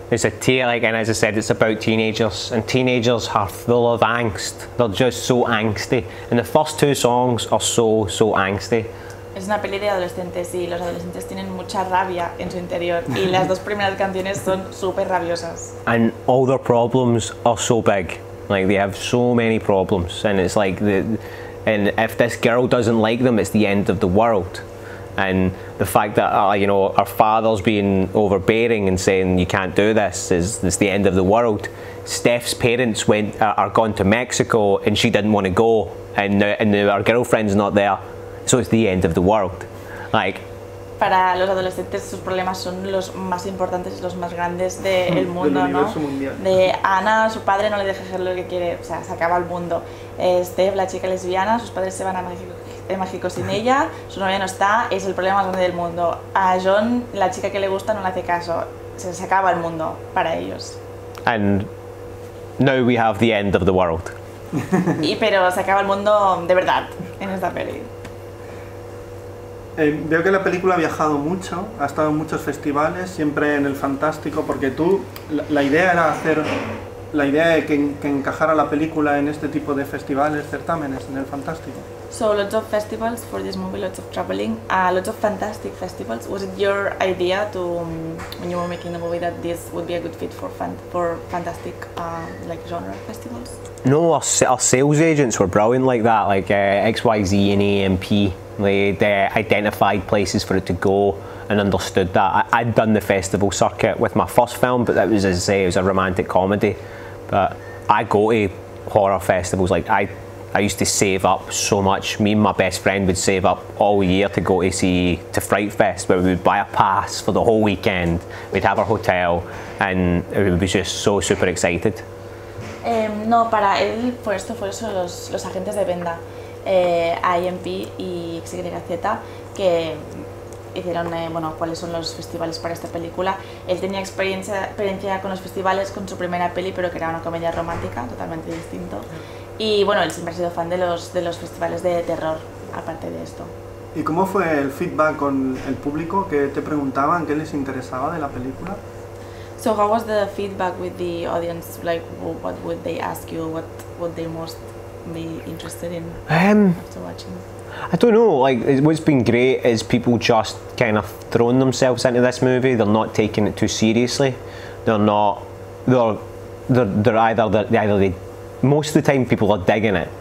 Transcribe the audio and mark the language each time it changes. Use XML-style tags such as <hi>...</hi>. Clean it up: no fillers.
<en>It's a and as I said, it's about teenagers, and teenagers are full of angst. They're just so angsty, and the first two songs are so angsty.</en> <es>Es una peli de adolescentes y los adolescentes tienen mucha rabia en su interior y las dos primeras canciones son súper rabiosas.</es> <en>And all their problems are so big, like they have so many problems, and it's like and if this girl doesn't like them, it's the end of the world. And the fact that you know, our father's being overbearing and saying you can't do this is the end of the world. Steph's parents are gone to Mexico and she didn't want to go, and now our girlfriend's not there. So it's the end of the world. Like,</en> <es>para los adolescentes sus problemas son los más importantes y los más grandes del mundo, del ¿no? De Ana, su padre no le deja hacer lo que quiere, o sea, se acaba el mundo. Steph, la chica lesbiana, sus padres se van a México sin ella, su novia no está, es el problema más grande del mundo. A John, la chica que le gusta, no le hace caso, se acaba el mundo para ellos.</es> <en>And now we have the end of the world.</en> <es>Y pero se acaba el mundo de verdad en esta peli. Veo que la película ha viajado mucho, ha estado en muchos festivales, siempre en el fantástico, porque tú, la idea era hacer, la idea de que encajara la película en este tipo de festivales, certámenes, en el fantástico.</es> <en>So, lots of festivals for this movie, lots of traveling, lots of fantastic festivals. Was it your idea to, when you were making the movie, that this would be a good fit for fantastic, like, genre festivals? No, our sales agents were brilliant like that, like XYZ and AMP. They identified places for it to go and understood that. I'd done the festival circuit with my first film, but that was, as I say, it was a romantic comedy. But I go to horror festivals. Like I used to save up so much. Me and my best friend would save up all year to go to Fright Fest, where we would buy a pass for the whole weekend. We'd have our hotel and it would be just so super excited.</en> <es>No, para él fue esto, fue eso, los agentes de venda. IMP y XYZ, que hicieron bueno, cuáles son los festivales para esta película. Él tenía experiencia con los festivales con su primera peli, pero que era una comedia romántica, totalmente distinto. Y bueno, él siempre ha sido fan de los festivales de terror, aparte de esto. ¿Y cómo fue el feedback con el público? ¿Qué te preguntaban? ¿Qué les interesaba de la película?</es> <en>So how was the feedback with the audience? Like, what would they ask you? What would they most be interested in after watching? I don't know, like, what's been great is people just kind of thrown themselves into this movie. They're not taking it too seriously. Most of the time people are digging it.</en>